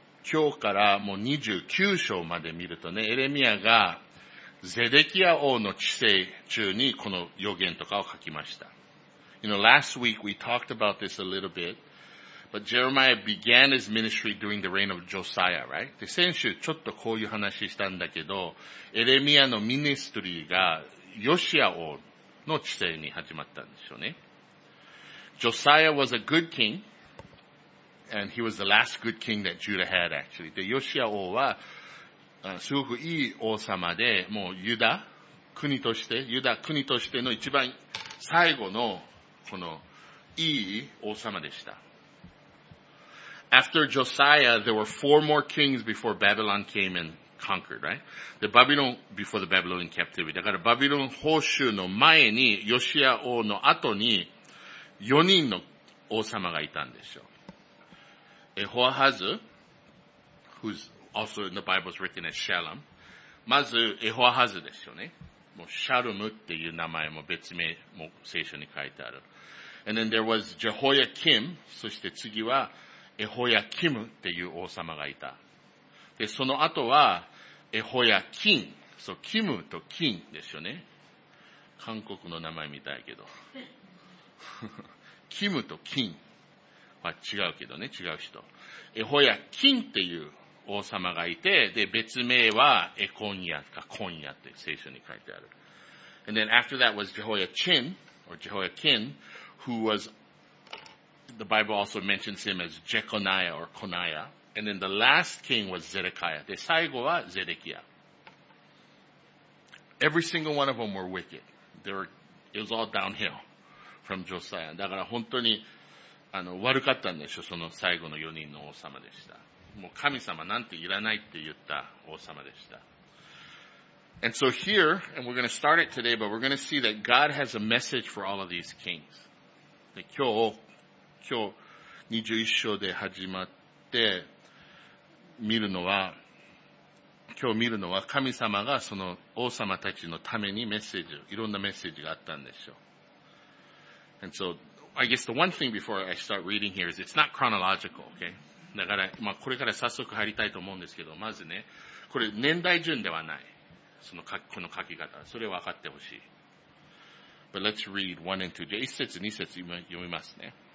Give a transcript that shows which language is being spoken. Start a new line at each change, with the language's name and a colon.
Japanese: 今日からもう29章まで見るとね、エレミアがゼデキア王の治世中にこの予言とかを書きました。
English: You know, last week we talked about this a little bit, but Jeremiah began his ministry during the reign of Josiah, right?
Japanese: で、先週ちょっとこういう話したんだけど、エレミアのミニストリーがヨシア王の治世に始まったんですよね。
English: Josiah was a good king. And he was the last good king that Judah had, actually.
Japanese: で、ヨシア王は、すごくいい王様で、もうユダ国としての一番最後の、この、いい王様でした。
English: After Josiah, there were four more kings before Babylon came and conquered, right?
Japanese: で、バビロン、
English: before the Babylonian captivity.
Japanese: だから、バビロン報酬の前に、ヨシア王の後に、4人の王様がいたんですよ。
English: エホアハズ who's also in the Bible is written as Shalom.
Japanese: まず、エホアハズですよね。もう、シャルムっていう名前も別名も聖書に書いてある。
English: And then there was Jehoiakim.
Japanese: そして次は、エホヤキムっていう王様がいた。で、その後は、エホヤキン。そう、キムとキンですよね。韓国の名前みたいけど。キムとキン。は違うけどね、違う人。エホヤキンっていう王様がいて、で、別名はエコンヤかコンヤって聖書に書いてある。
English: And then after that was Jehoiachin, or Jehoiakim, who was, the Bible also mentions him as Jeconiah or Coniah. And then the last king was Zedekiah.
Japanese: で、最後はゼデキア。
English: Every single one of them were wicked. It was all downhill from Josiah.
Japanese: だから本当に、悪かったんでしょ、その最後の4人の王様でした。もう神様なんていらないって言った王様でした。
English: And so here, and we're going to start it today, but we're going to see that God has a message for all of these kings.
Japanese: で、今日21章で始まって見るのは神様がその王様たちのためにメッセージ、いろんなメッセージがあったんでしょ。
English: And soI guess the one thing before I start reading here is it's not chronological, okay?
Japanese: だから、まあ、これから早速入りたいと思うんですけど、まずね、これ年代順ではない。この書き方。それを分かってほしい。
English: But let's read 1 and 2.
Japanese: 1節、2節読みますね。